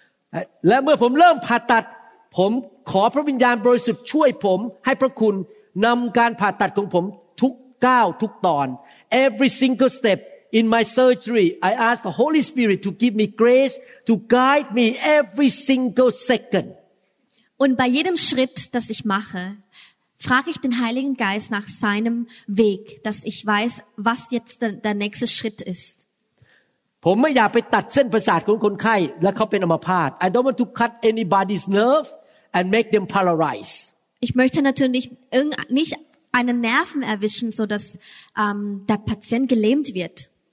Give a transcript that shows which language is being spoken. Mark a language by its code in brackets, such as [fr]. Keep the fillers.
[en] Und Every single step in my surgery, I ask the Holy Spirit to give me grace to guide me every single second. [de] Und bei jedem Schritt, das ich mache, frage ich den Heiligen Geist nach seinem Weg, dass ich weiß, was jetzt der, der nächste Schritt ist. [th] ผมไม่อยากไปตัดเส้นประสาทของคนไข้และเขาเป็นอัมพาต [en] I don't want to cut anybody's nerve [de] der Patient gelähmt wird. Ich möchte natürlich nicht, nicht einen Nerven erwischen so dass um, der Patient gelähmt wird